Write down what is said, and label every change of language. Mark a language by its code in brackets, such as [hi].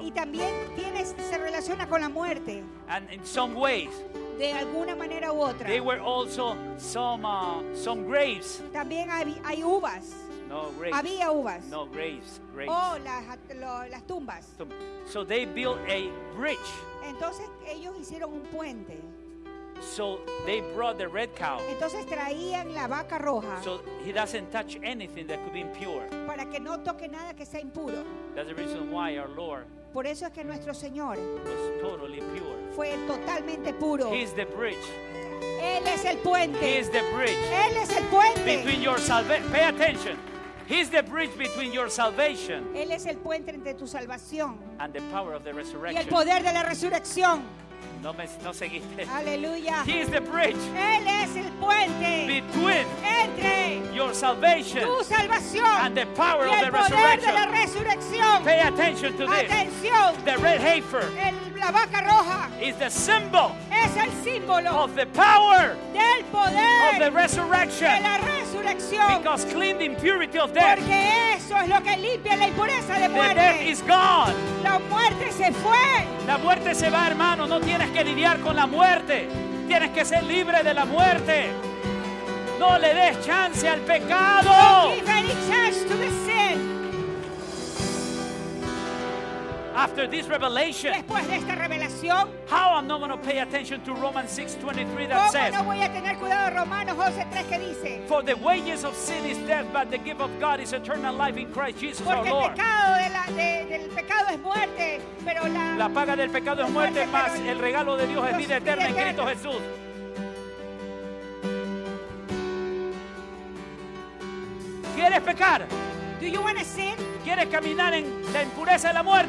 [es] Y también tiene, se relaciona con la muerte. [en] And in some ways. [es] De alguna manera u otra. [en] There were also some grapes. [es] También hay uvas. [en] No grapes. [es] Había uvas. [en] No grapes. [es] Oh, las tumbas. [en] So they built a bridge. [es] Entonces ellos hicieron un puente. [en] So they brought the red cow. [es] Entonces traían la vaca roja. [en] So he doesn't touch anything that could be impure. [es] Para que no toque nada que sea impuro. [en] That's the reason why our Lord. [es] Por eso es que nuestro Señor [en] was totally pure. [es] Fue totalmente puro. [en] He is the bridge. [es] Él es el puente. [en] He is the bridge. [es] Él es el puente. [en] Between your salvation. Pay attention. He's the bridge between your salvation. [es] Él es el puente entre tu salvación. [en] And the power of the resurrection. [es] Y el poder de la resurrección. No seguiste. Aleluya. [en] He is the bridge. [es] Él es el puente. [en] Between. [es] Entre. [en] Your salvation. [es] Tu salvación. [en] And the power of the resurrection. [es] Y el poder de la resurrección. [en] Pay attention to this. [es] Atención. [en] The red heifer. [es] La vaca roja. [en] Is the symbol. [es] Es el símbolo. [en] Of the power. [es] Del poder. [en] Of the resurrection. [es] De la resurrección. [en] Because clean the impurity of death. [es] Porque eso es lo que limpia la impureza de muerte. [en] The death is gone. [es] La muerte se fue. La muerte se va, hermano. No tienes que lidiar con la muerte. Tienes que ser libre de la muerte. No le des chance al pecado. [en] Don't give any chance to the sin. After this revelation, [es] después de esta revelación, [en] how am I not going to pay attention to Romans 6:23 that says, [es] no voy a tener cuidado de Romanos 11:3 que dice, [en] for the wages of sin is death, but the gift of God is eternal life in Christ Jesus our Lord. [es] Porque el pecado del pecado es muerte, pero la paga del pecado es muerte, más el regalo de Dios es vida eterna en Cristo Jesús. ¿Quieres pecar? [en] Do you want to sin? [es] ¿Quieres caminar en la impureza de la muerte?